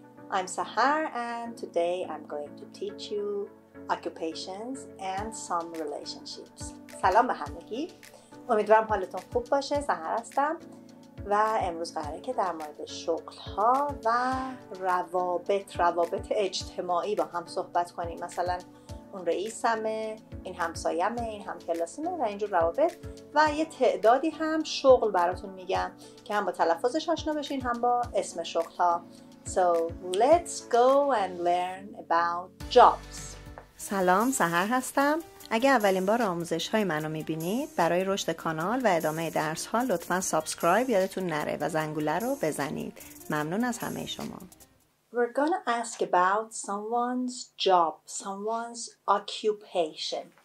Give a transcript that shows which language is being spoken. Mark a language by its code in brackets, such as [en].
[en] I'm Sahar and today I'm going to teach you occupations and some relationships. [fa] سلام به همگی. امیدوارم حالتون خوب باشه. سحر هستم و امروز قراره که در مورد شغل‌ها و روابط اجتماعی با هم صحبت کنیم. مثلا اون رئیسمه، این همسایمه، این همکلاسیمه و اینجور روابط و یه تعدادی هم شغل براتون میگم که هم با تلفظش آشنا بشین هم با اسم شغل ها. [en] So let's go and learn about jobs. [fa] سلام، سحر هستم. اگه اولین بار آموزش های منو میبینید، برای رشد کانال و ادامه درس ها لطفا سابسکرایب یادتون نره و زنگوله رو بزنید. ممنون از همه شما. [en] We're gonna ask about someone's job, someone's occupation.